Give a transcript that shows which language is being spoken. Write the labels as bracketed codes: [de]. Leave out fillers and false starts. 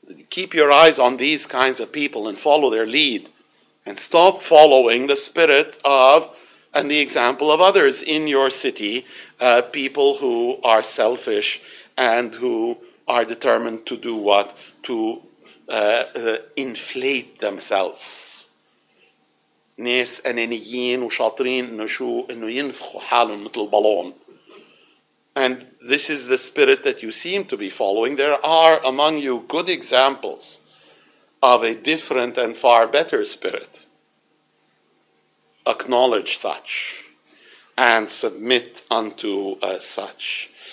[en] Keep your eyes on these kinds of people and follow their lead, and stop following the spirit of and the example of others in your city, people who are selfish and who are determined to do what? To inflate themselves. [ar] ناس أنانيين وشاطرين إنه شو إنه ينفخوا حالهم مثل بالون. [en] And this is the spirit that you seem to be following. There are among you good examples of a different and far better spirit. Acknowledge such and submit unto such.